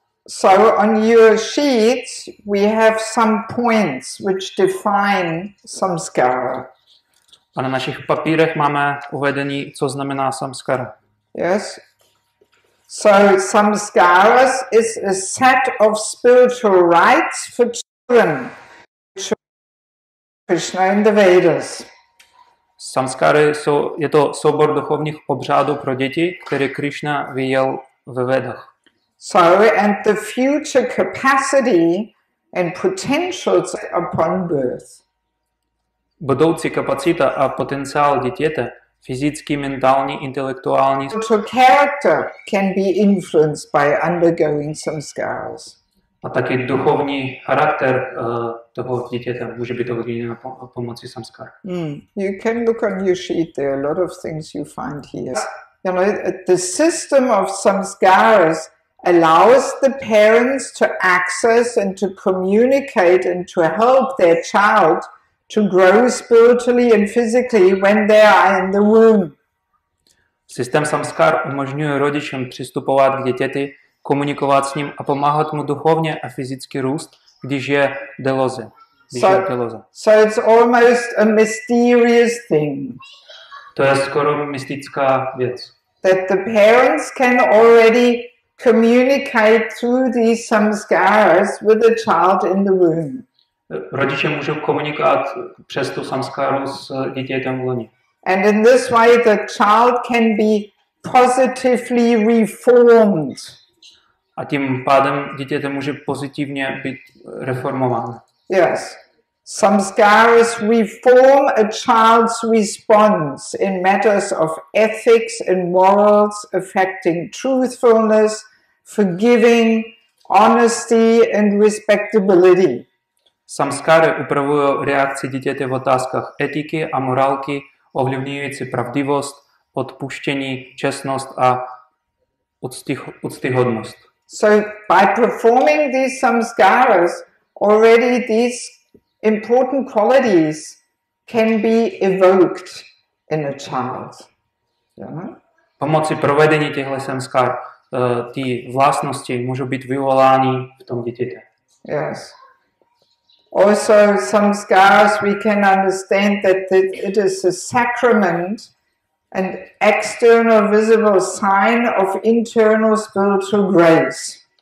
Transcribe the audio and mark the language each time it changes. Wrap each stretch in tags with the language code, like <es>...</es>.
<en>So on your sheets we have some points which define samskara.</en> <cs>A na našich papírech máme uvedení, co znamená samskara.</cs> <en>Yes. So samskaras is a set of spiritual rites for children. Krishna in the Vedas.</en> <cs>Samskary jsou, je to soubor duchovních obřádů pro děti, které Krishna vyjel ve Vedách.</cs> <en>So, and the future capacity and potentials upon birth.</en> <cs>Budoucí kapacita a potenciál dítěte, fyzický, mentální, intelektuální.</cs> <en>Spiritual character can be influenced by undergoing samskaras.</en> <cs>A taky duchovní charakter toho dítěte může být ovlivněn pomocí samskar. Mm.</cs> <en>You can look on your sheet, there are a lot of things you find here. You know, the system of samskaras allows the parents to access and to communicate and to help their child to grow spiritually and physically when they are in the womb.</en> <cs>Systém samskar umožňuje rodičům přistupovat k dítěti, komunikovat s ním a pomáhat mu duchovně a fyzicky růst, když je deloze.</cs> <en>So it's almost a mysterious thing.</en> <cs>To je skoro mystická věc.</cs> <en>That the parents can already communicate through these samskaras with the child in the womb.</en> <cs>Rodiče můžou komunikovat přes tu samskaru s dítětem v loni.</cs> <en>And in this way the child can be positively reformed.</en> <cs>A tím pádem dítěte může pozitivně být reformováno.</cs> <en>Yes. Samskaras reform a child's response in matters of ethics and morals affecting truthfulness, forgiving, honesty and respectability.</en> <cs>Samskáry upravují reakci dítěte v otázkách etiky a morálky, ovlivňující pravdivost, odpuštění, čestnost a úctyhodnost.</cs> <en>So by performing these samskaras, already these important qualities can be evoked in a child.</en> <cs>Pomocí provedení těchto samskar ty vlastnosti můžou být vyvolány v tom dítěte.</cs> <en>Yes. Also, samskaras, we can understand that it is a sacrament, an external visible sign of internal spiritual grace.</en>